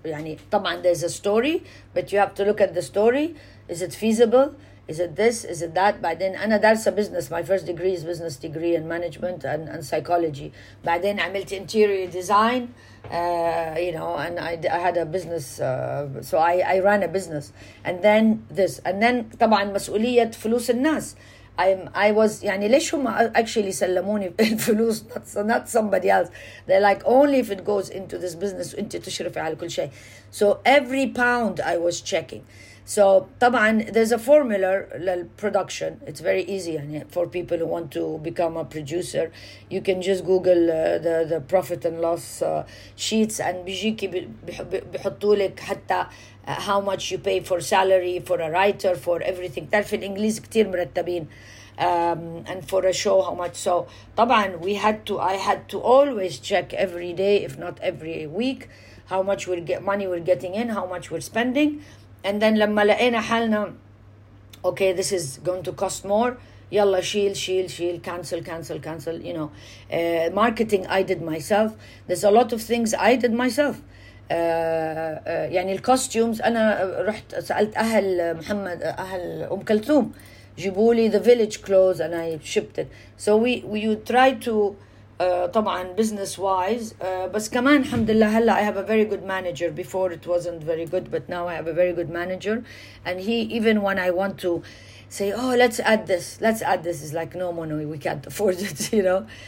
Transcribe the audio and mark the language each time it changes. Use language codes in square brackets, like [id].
[ar] يعني طبعا [en] there's a story, but you have to look at the story. Is it feasible? Is it this? Is it that? But then, [ar] أنا دارسة [en] business. My first degree is business degree in management and psychology. But then, I [ar] عملت [en] interior design, and I had a business. So I ran a business. And then this. And then, [ar] طبعاً مسؤولية فلوس الناس. [en] I was, [ar] يعني ليش هم [en] actually [ar] سلموني الفلوس, [en] not somebody else. They're like, only if it goes into this business, [ar] أنت تشرفي على كل شيء. [en] So every pound I was checking. So, [ar] طبعاً, [en] there's a formula للproduction. It's very easy for people who want to become a producer. You can just Google the profit and loss sheets, and [ar] بيجيكي بحطولك حتى [en] how much you pay for salary, for a writer, for everything. [ar] تعرف الإنجليز كتير مرتبين. [en] And for a show, how much. So, طبعاً, I had to always check every day, if not every week, how much money we're getting in, how much we're spending. And then [ar] لما لقينا حالنا, [en] okay, this is going to cost more, [ar] يلا شيل, [en] cancel, you know. Marketing, I did myself. There's a lot of things I did myself. [ar] يعني الكوستيومز, أنا رحت سألت أهل محمد, أهل أم كلثوم, جيبولي [en] the village clothes and I shipped it. So we you try to, طبعا business wise, [ar] بس كمان الحمد لله هلا [en] I have a very good manager. Before it wasn't very good, but now I have a very good manager, and he, even when I want to say, oh, let's add this, is like, no money, we can't afford it, you know.